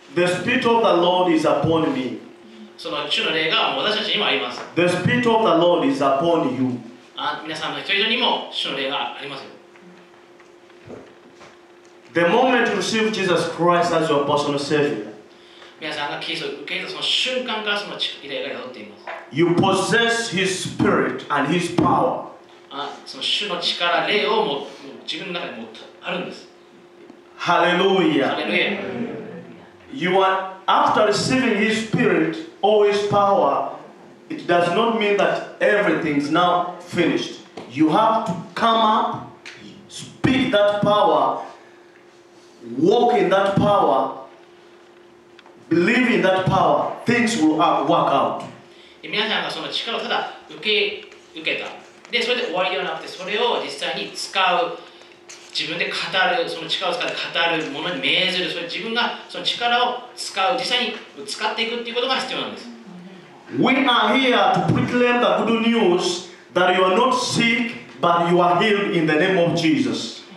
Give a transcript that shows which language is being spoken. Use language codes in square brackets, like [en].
[en] The Spirit of the Lord is upon me. [ja] その主の霊が私たちにもあります。 [en] The Spirit of the Lord is upon you. [ja] 皆さんの一人にも主の霊がありますよ。 [en] The moment you receive Jesus Christ as your personal Savior, [ja] 皆さんがキリストを受け入れたその瞬間からその霊が宿っています。 [en] You possess His Spirit and His power. [ja] その主の力、霊をもう自分の中に持ってあるんです。 [en] Hallelujah. You are after receiving His Spirit. All His power, it does not mean that everything is now finished. You have to come up, speak that power, walk in that power, believe in that power, things will work out. [ja] 皆さんがその力をただ受けた。で、それで終わりではなくて、それを実際に使う、自分で語る、その力を使って語るものに命ずる、それ自分がその力を使う、実際に使っていくということが必要なんです。 [en] We are here to proclaim the good news that you are not sick, but you are healed in the name of Jesus.